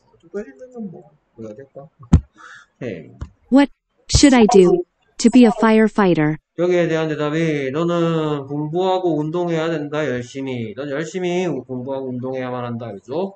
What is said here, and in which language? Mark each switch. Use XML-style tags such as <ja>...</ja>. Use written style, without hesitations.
<ko>똑똑해지려면 뭐 해야 될까? hey.</ko> <en>What should I do to be a firefighter?</en> <ko>여기에 대한 대답이 너는 공부하고 운동해야 된다, 열심히. 넌 열심히 공부하고 운동해야만 한다, 그죠?</ko>